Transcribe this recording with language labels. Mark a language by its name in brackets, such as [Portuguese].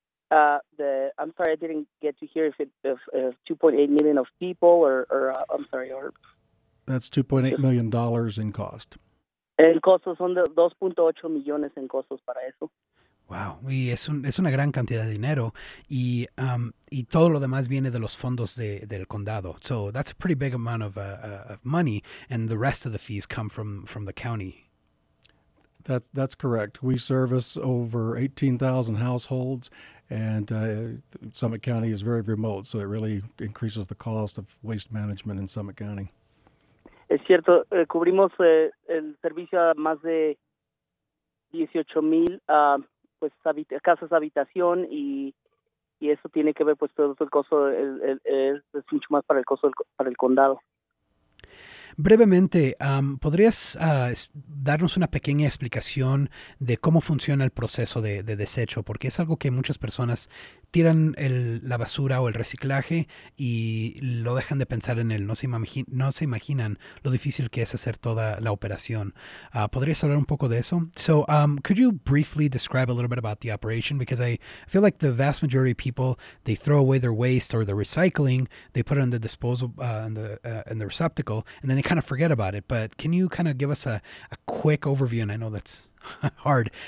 [English] I'm sorry, I didn't get to hear if $2.8 million of people or I'm sorry, or that's $2.8 million in cost. [Spanish] El costo son de 2.8 millones en costos para eso. Wow, y es una gran cantidad de dinero y todo lo demás viene de los fondos del condado. [English] So that's a pretty big amount of money, and the rest of the fees come from the county. That's correct. We service over 18,000 households, and Summit County is very remote, so it really increases the cost of waste management in Summit County. [Spanish] Es cierto, cubrimos el servicio a más de 18,000 pues casas habitación y eso tiene que ver pues todo el costo es mucho más para el condado. Brevemente, ¿podrías darnos una pequeña explicación de cómo funciona el proceso de desecho? Porque es algo que muchas personas tiran la basura o el reciclaje y lo dejan de pensar en él. No se imaginan lo difícil que es hacer toda la operación. ¿Podrías hablar un poco de eso? [English] So, could you briefly describe a little bit about the operation? Because I feel like the vast majority of people, they throw away their waste or the recycling, they put it in the disposal, in the receptacle, and then they kind of forget about it. But can you kind of give us a quick overview? And I know that's Hard.